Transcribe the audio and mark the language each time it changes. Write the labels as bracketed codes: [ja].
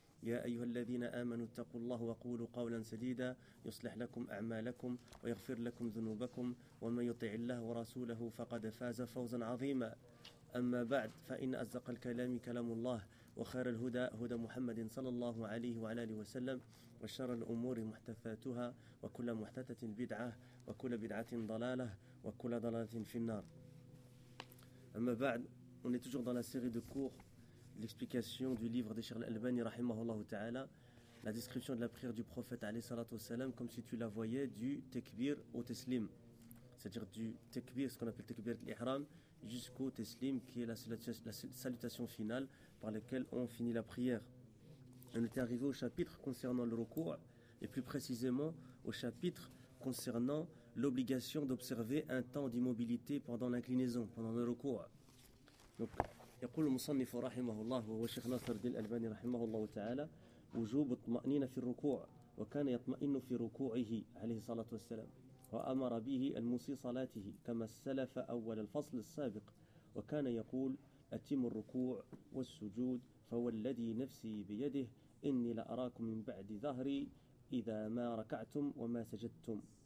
[ar] يا أيها الذين آمنوا اتقوا الله وقولوا قولا سديدا يصلح لكم أعمالكم ويغفر لكم ذنوبكم ومن يطع الله ورسوله فقد فاز فوزا عظيما. أما بعد، فإن أصدق الكلام كلام الله وخير الهدى هدى محمد صلى الله عليه وعلى آله وسلم وشر الأمور محدثاتها وكل محدثة بدعة وكل بدعة ضلالة وكل ضلالة في النار. أما بعد، [fr] on est toujours dans la série de cours l'explication du livre de Cheikh Al-Albani rahimahullah ta'ala, la description de la prière du prophète alayhi salatu wasalam comme si tu la voyais du takbir au teslim, c'est-à-dire du takbir, ce qu'on appelle takbir al-ihram, jusqu'au teslim qui est la salutation finale par laquelle on finit la prière. On était arrivé au chapitre concernant le ruku', et plus précisément au chapitre concernant l'obligation d'observer un temps d'immobilité pendant l'inclinaison, pendant le ruku'. [ar] Donc يقول المصنف رحمه الله وهو الشيخ ناصر الدين الألباني رحمه الله تعالى وجوب الطمأنينة في الركوع، وكان يطمئن في ركوعه عليه الصلاة والسلام، وأمر به الموصي صلاته كما سلف أول الفصل السابق، وكان يقول أتم الركوع والسجود فوالذي نفسي بيده إني لأراكم من بعد ظهري إذا ما ركعتم وما سجدتم.